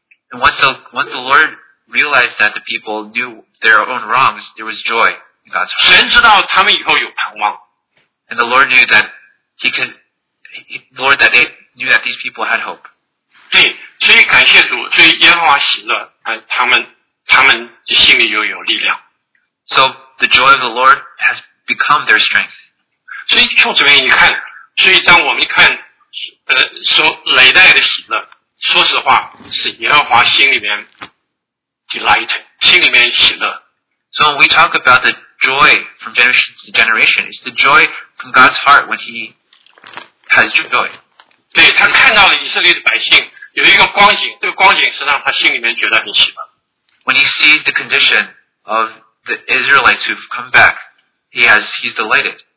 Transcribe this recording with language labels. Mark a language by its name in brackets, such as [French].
[English] And once the Lord realized that the people knew their own wrongs, there was joy in God's heart. [Chinese] 神知道他们以后有盼望。 [English] And the Lord knew that he could, Lord, that they knew that these people had hope. [Chinese] 对，所以感谢主，所以耶和华喜乐，他们心里又有力量。 [English] So the joy of the Lord has become their strength. [Chinese] 所以弟兄姊妹，你看，所以当我们看，所累带的喜乐，说实话，是耶和华心里面 delight， 心里面喜乐。 [English] So when we talk about the joy from generation to generation, it's the joy from God's heart when He has joy. [Chinese] 对，他看到了以色列的百姓。有一个光景，这个光景是让他心里面觉得很喜乐。 [English] When he sees the condition of the Israelites who've come back, he's delighted.